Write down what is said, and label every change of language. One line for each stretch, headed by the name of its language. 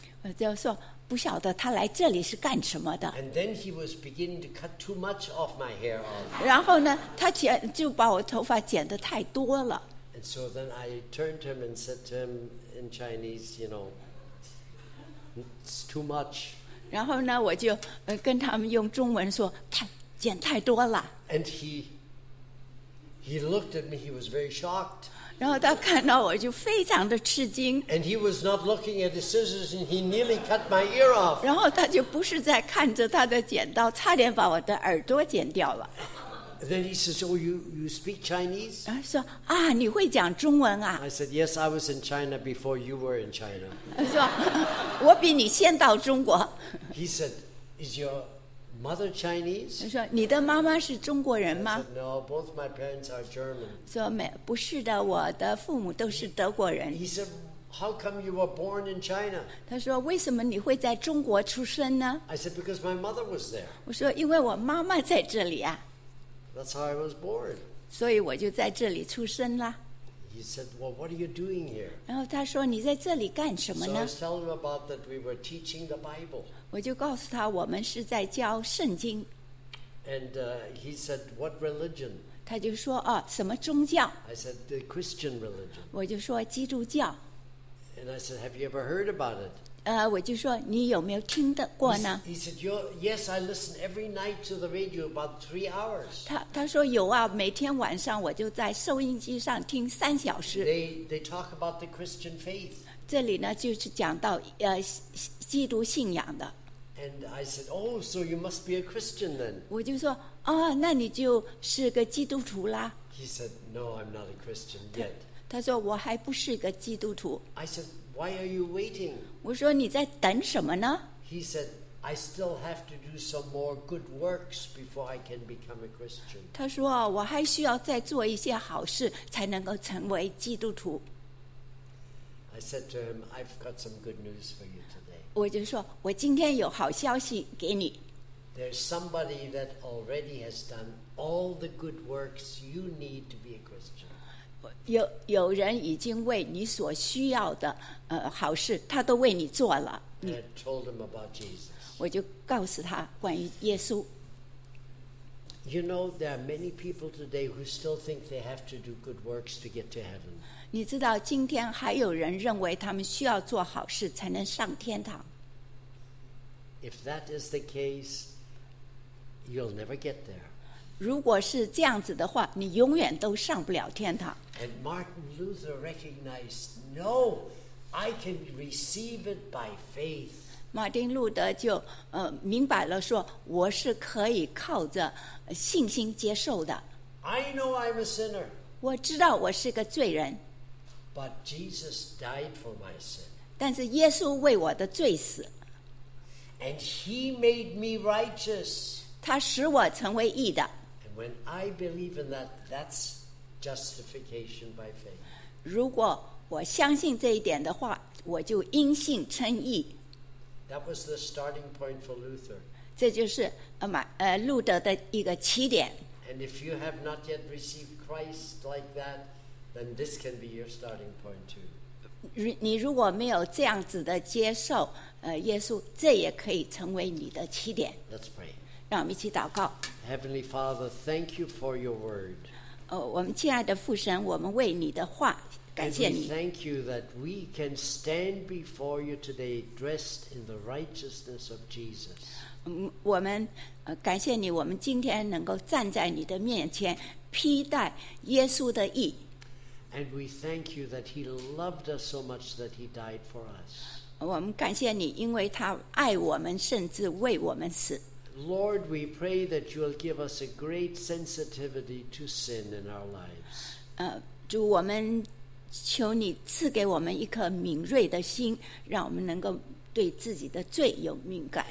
Chinese: 我就说不晓得他来这里是干什么的。
English: And then he was beginning to cut too much off my hair.
Chinese: 然后呢，他就把我头发剪得太多了。
English: And so then I turned to him and said to him in Chinese, you know, it's too much.
Chinese: 然后呢，我就跟他们用中文说，剪太多了。
English: And he looked at me, he was very shocked.
Chinese: 然后他看到我就非常的吃惊。
English: And he was not looking at the scissors and he nearly cut my ear off.
Chinese: 然后他就不是在看着他的剪刀，差点把我的耳朵剪掉了。
English: Then he says, "Oh, you speak Chinese?" I said, "Ah,
Chinese: 你会讲中文啊?"
English: I said, "Yes, I was in China before you were in China." I said,
Chinese: 我比你先到中国。
English: He said, "Is your mother Chinese?" I said,
Chinese: 你的妈妈是中国人吗?
English: I said, "No, both my parents are German."
Chinese: 说没，不是的，我的父母都是德国人。
English: He said, "How come you were born in China?"
Chinese: 他说为什么你会在中国出生呢?
English: I said, "Because my mother was there."
Chinese: 我说因为我妈妈在这里啊。
English: That's how I was born.
Chinese: 所以我就在这里出生了。
English: He said, "Well, what are you doing here?"
Chinese: 然后他说你在这里干什么呢
English: ？So I tell him about that we were teaching the Bible.
Chinese: 我就告诉他我们是在教圣经。
English: And he said, "What religion?"
Chinese: 他就说哦，什么宗教
English: ？I said, "The Christian religion."
Chinese: 我就说基督教。
English: And I said, "Have you ever heard about it?"
Chinese: 我就说你有没有听得过呢
English: ？He said, "Yes, I listen every night to the radio about 3 hours."
Chinese: 他说有啊，每天晚上我就在收音机上听3小时。
English: They talk about the Christian faith.
Chinese: 这里呢就是讲到基督信仰的。
English: And I said, "Oh, so you must be a Christian then."
Chinese: 我就说啊，那你就是个基督徒啦。
English: He said, "No, I'm not a Christian yet."
Chinese: 他说我还不是个基督徒。
English: I said. Why are you waiting?
Chinese: 我说你在等什么呢
English: ？He said, "I still have to do some more good works before I can become a Christian."
Chinese: 他说我还需要再做一些好事才能够成为基督徒。
English: I said to him, "I've got some good news for you today."
Chinese: 我就说我今天有好消息给你。
English: There's somebody that already has done all the good works you need to be a Christian.
Chinese: 有人已经为你所需要的好事他都为你做了你
English: I told him about Jesus.
Chinese: 我就告诉他关于耶稣
English: You know, there are many people today who still think they have to do good works to get to heaven.
Chinese: 你知道今天还有人认为他们需要做好事才能上天堂
English: If that is the case, you'll never get there.
Chinese: 如果是这样子的话你永远都上不了天堂
English: And Martin Luther recognized, no, I can receive it by faith.
Chinese: 马丁路德就明白了说我是可以靠着信心接受的。
English: I know I'm a sinner.
Chinese: 我知道我是个罪人。
English: But Jesus died for my sin.
Chinese: 但是耶稣为我的罪死。
English: And he made me righteous.
Chinese: 他使我成为义的。
English: And when I believe in that, that'sJustification by faith.
Chinese: 如果我相信这一点的话，我就因信称义。
English: That was the starting point for Luther.
Chinese: 这就是路德的一个起点。
English: And if you have not yet received Christ like that, then this can be your starting point too.
Chinese: 你如果没有这样子的接受耶稣，这也可以成为你的起点。
English: Let's pray.
Chinese: 让我们一起祷告。
English: Heavenly Father, thank you for your word.
Chinese: 我们亲爱的父神，我们为你的话感谢你。
English: And we thank you that we can stand before you today dressed in the righteousness of Jesus.
Chinese: 我们感谢你，我们今天能够站在你的面前，披戴耶稣的义。
English: And we thank you that he loved us so much that he died for us.
Chinese: 我们感谢你，因为他爱我们，甚至为我们死。
English: Lord, we pray that you will give us a great sensitivity to sin in our lives.
Chinese: 主，我们求你赐给我们一颗敏锐的心，让我们能够对自己的罪有敏感。